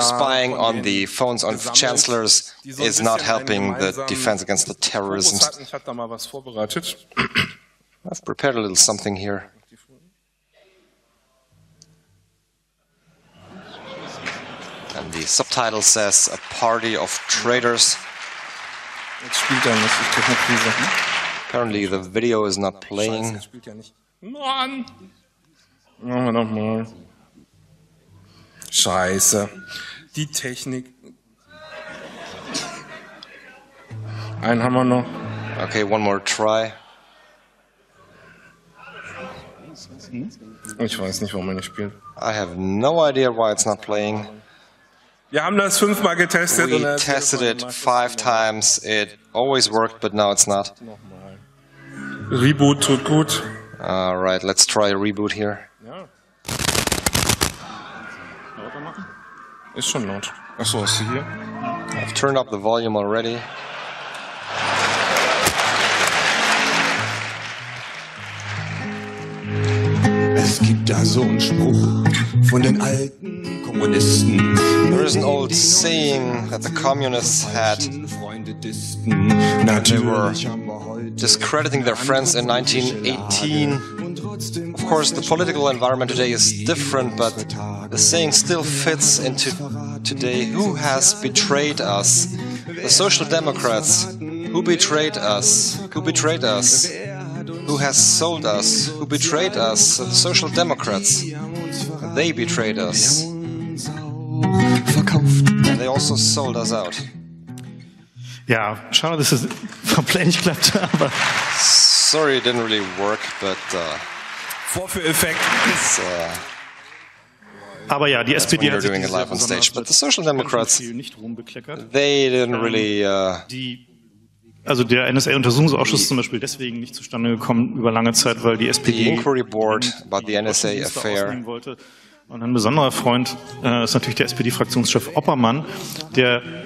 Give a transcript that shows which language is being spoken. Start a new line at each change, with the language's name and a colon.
English: spying on the phones of chancellors is not helping the defense against the terrorism.
German: Ich habe da mal was vorbereitet.
English: I've prepared a little something here. And the subtitle says, a party of traitors.
German: Jetzt spielt er nicht, ich krieg nicht diese.
English: Apparently the video is not playing.
German: Mann! Machen wir nochmal. Scheiße. Die Technik. Einen haben wir noch.
English: Okay, one more try.
German: Ich weiß nicht, warum er nicht spielt.
English: I have no idea why it's not playing.
German: Wir haben das fünfmal getestet.
English: We tested it five times. It always worked, but now it's not.
German: Reboot tut gut.
English: All right, let's try a reboot here.
German: Ja. Ist schon laut. Achso, ist sie hier?
English: I've turned up the volume already.
German: Es gibt da so einen Spruch von den alten Kommunisten.
English: There is an old saying that the communists had. They were discrediting their friends in 1918. Of course, the political environment today is different, but the saying still fits into today. Who has betrayed us? The Social Democrats. Who betrayed us? Who betrayed us? Who has sold us? Who betrayed us? The Social Democrats. They betrayed us. And they also sold us out.
German: Ja, schade, dass es komplett nicht klappt, aber.
English: Sorry, it didn't really work, but.
German: Vorführeffekt. Aber ja, die SPD hat
English: sich live on stage, but the Social Democrats, they didn't really.
German: Also der NSA-Untersuchungsausschuss ist zum Beispiel deswegen nicht zustande gekommen über lange Zeit, weil die SPD.
English: The Inquiry Board about the NSA affair.
German: Und ein besonderer Freund ist natürlich der SPD-Fraktionschef Oppermann, der.